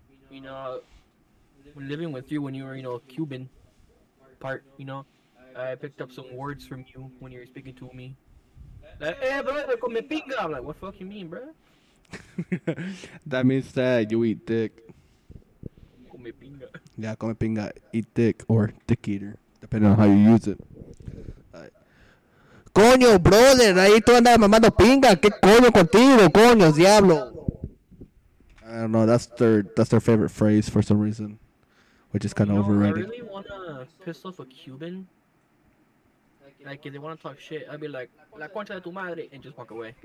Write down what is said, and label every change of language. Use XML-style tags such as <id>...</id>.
<en>You know, living with you when you were, you know, Cuban part, you know, I picked up some words from you when you were speaking to me. Like, hey, brother,</en> <es>con mi pinga.</es> <en>I'm like, what the fuck you mean, bro? That means that you eat dick. Pinga. Yeah,</en> <es>come pinga,</es> <en>eat dick or dick eater, depending on how you use it.</en> <es>Coño, brother, ahí tú andas mamando pinga, qué coño contigo, coño, diablo.</es> <en>I don't know, that's their favorite phrase for some reason, which is kind of overrated. I really want to piss off a Cuban, like if they want to talk shit, I'd be like,</en> <es>la concha de tu madre,</es> <en>and just walk away.</en>